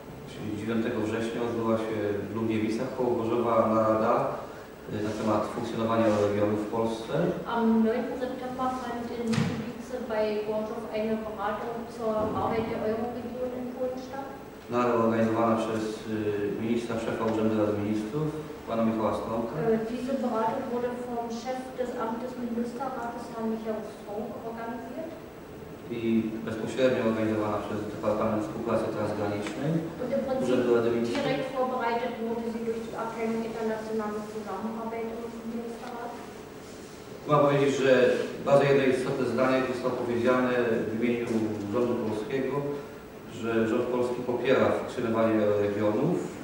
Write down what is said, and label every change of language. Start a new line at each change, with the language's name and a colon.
Polish: Czyli 9 września odbyła się w Lubiewicach koło Gorzowa narada na temat funkcjonowania regionu w Polsce.
German: Am 9
Polish: sierpnia
German: fand in Lubiewice bei Gorzów eine Beratung zur Arbeit der Euroregion in Polen statt.
Polish: Narada organizowana przez ministra, szefa Urzędu Rady Ministrów, pana Michała Stronka.
German: Diese Beratung wurde vom Chef des Amtes Ministerrates, Herrn Michał Stronk, organisiert.
Polish: I bezpośrednio organizowana przez Departament Współpracy Transgranicznej Urzędu Rady Ministrów.
German: Direkt vorbereitet wurde sie durch die Abteilung Internationale Zusammenarbeit im Ministerrat.
Polish: Mam powiedzieć, że bardzo jedno istotne zdanie zostało powiedziane w imieniu rządu polskiego, że rząd polski popiera funkcjonowanie regionów.